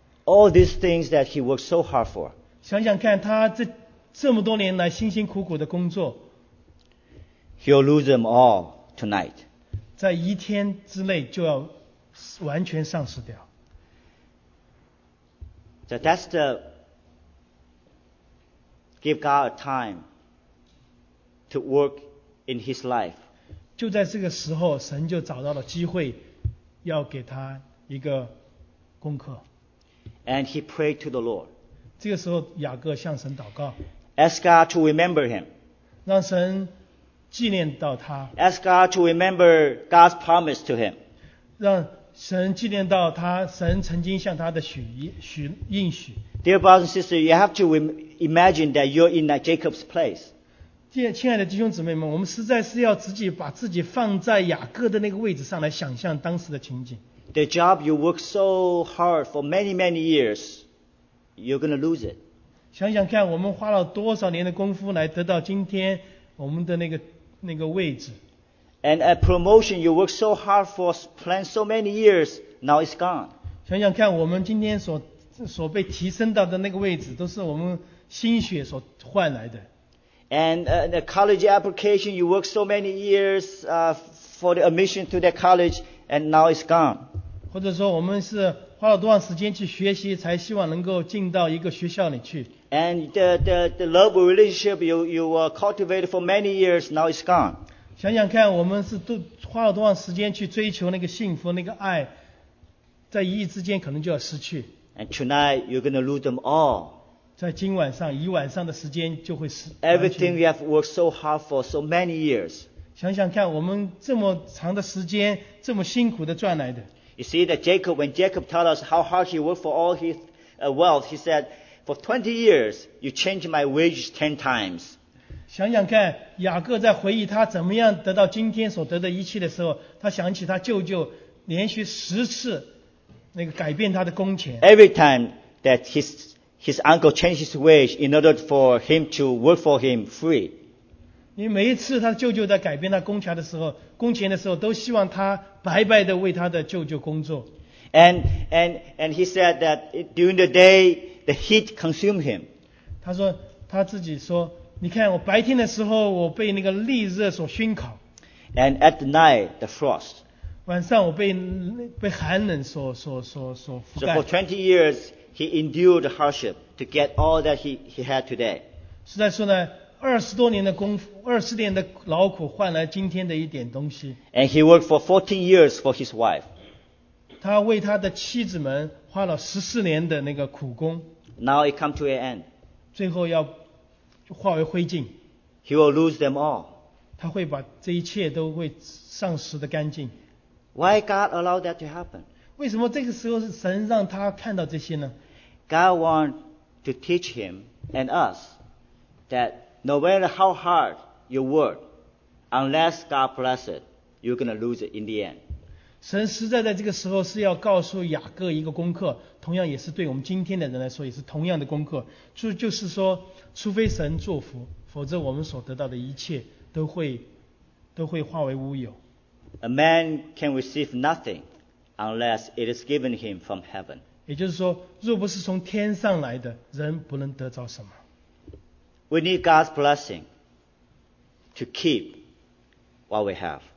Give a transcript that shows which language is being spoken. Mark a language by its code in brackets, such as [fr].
[en] All these things that he worked so hard for. [zh] 想想看他这么多年来辛辛苦苦的工作。 [en] He'll lose them all tonight. [zh] 在一天之内就要完全丧失掉。 [en] So that's the give God a time to work in His life. [zh] 就在这个时候，神就找到了机会，要给他一个功课。 [en] And he prayed to the Lord. [zh] 这个时候，雅各向神祷告。 [en] Ask God to remember him. [zh] 让神纪念到他。 [en] Ask God to remember God's promise to him. [zh] 让神纪念到他，神曾经向他的应许。 [en] Dear brothers and sisters, you have to imagine that you're in that Jacob's place. [zh] 亲爱的弟兄姊妹们，我们实在是要自己把自己放在雅各的那个位置上来想象当时的情景。 [en] The job you worked so hard for many, many years, you're going to lose it. [zh] 想想看，我们花了多少年的功夫来得到今天我们的那个位置。 [en] And a promotion you worked so hard for, planned so many years, now it's gone. [zh] 想想看，我们今天所被提升到的那个位置，都是我们心血所换来的。 [en] And a college application you worked so many years, for the admission to that college, and now it's gone. [zh] 或者说，我们是花了多长时间去学习，才希望能够进到一个学校里去。 [en] And the love relationship you were cultivated for many years, now it's gone. [zh] 想想看，我们是都花了多长时间去追求那个幸福、那个爱，在一夜之间可能就要失去。 [en] And tonight you're going to lose them all. [zh] 在今晚上，一晚上的时间就会失。 [en] Everything you have worked so hard for so many years. [zh] 想想看，我们这么长的时间，这么辛苦的赚来的。 [en] You see that Jacob, when Jacob told us how hard he worked for all his wealth, he said, "For 20 years, you changed my wages 10 times." [zh] 想想看，雅各在回忆他怎么样得到今天所得的一切的时候，他想起他舅舅连续10次那个改变他的工钱。 [en] Every time that his uncle changed his wage in order for him to work for him free. [zh] 因为每一次他舅舅在改变他工钱的时候，都希望他白白的为他的舅舅工作。 [en] And he said that during the day the heat consumed him. [zh] 他说他自己说。你看我白天的时候我被那个烈热所熏烤。 [en] And at the night, the frost. [zh] 晚上我被寒冷所覆盖。 [en] So for 20 years, he endured hardship to get all that he had today. [zh] 实在说呢，二十多年的功夫，二十年的劳苦换来今天的一点东西。 [en] And he worked for 14 years for his wife. [zh] 他为他的妻子们花了十四年的那个苦功。 [en] Now it come to an end. [zh] 最后要化为灰烬。 [en] He will lose them all. [zh] 他会把这一切都会丧失的干净。 [en] Why God allowed that to happen? [zh] 为什么这个时候是神让他看到这些呢？ [en] God want to teach him and us that no matter how hard you work, unless God bless it, you're going to lose it in the end. [zh] 神实在在这个时候是要告诉雅各一个功课，同样也是对我们今天的人来说也是同样的功课，就是说除非神祝福，否则我们所得到的一切都会化为乌有。 [en] A man can receive nothing unless it is given him from heaven. [zh] 也就是说，若不是从天上来的，人不能得着什么。 [en] We need God's blessing to keep what we have.